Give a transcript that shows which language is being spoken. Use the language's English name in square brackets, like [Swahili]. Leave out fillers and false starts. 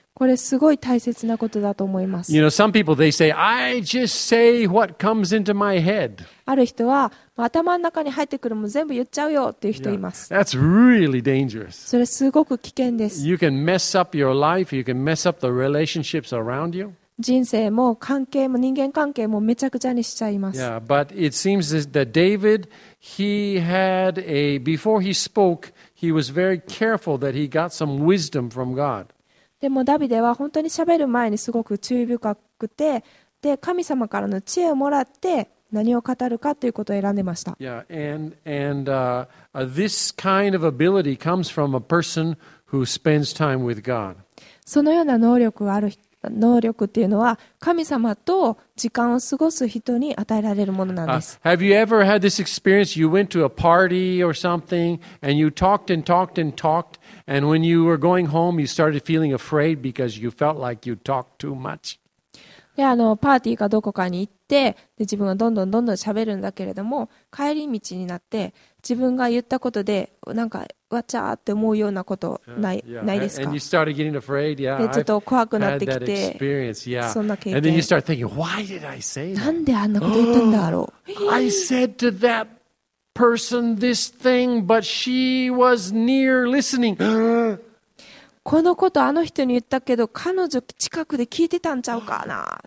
[Japanese] これすごい大切なことだと思います。 [English] You know, some people they say, I just say what comes into my head. [Japanese] ある人は頭の中に入ってくるも全部言っちゃうよっていう人います。 [English] Yeah, that's really dangerous. [Japanese] それすごく危険です。 [English] You can mess up your life. You can mess up the relationships around you. [Japanese] 人生も関係も人間関係もめちゃくちゃにしちゃいます。 [English] Yeah, but it seems that David, he had a before he spoke, he was very careful that he got some wisdom from God. [Japanese] でもダビデは本当に喋る前にすごく注意深くて、で神様からの知恵をもらって何を語るかということを選んでました。 [English] Yeah, and this kind of ability comes from a person who spends time with God. [Japanese] そのような能力がある人。能力っていうのは神様と時間を過ごす人に与えられるものなんです。 [English] Have you ever had this experience? You went to a party or something and you talked and talked and talked and when you were going home you started feeling afraid because you felt like you talked too much. [Japanese] で、あのパーティーかどこかに行って、で自分がどんどんどんどん喋るんだけれども、帰り道になって自分が言ったことでなんか。わちゃーって思うようなことないですか。 [English] And you started getting afraid. Yeah, [Japanese] でちょっと怖くなってきて、そんな経験。 [English] And then you start thinking, why did I say that? [Japanese] なんであんなこと言ったんだろう。 [English] I said to that person this thing, but she was near listening. [Japanese] このことあの人に言ったけど、彼女近くで聞いてたんちゃうかな。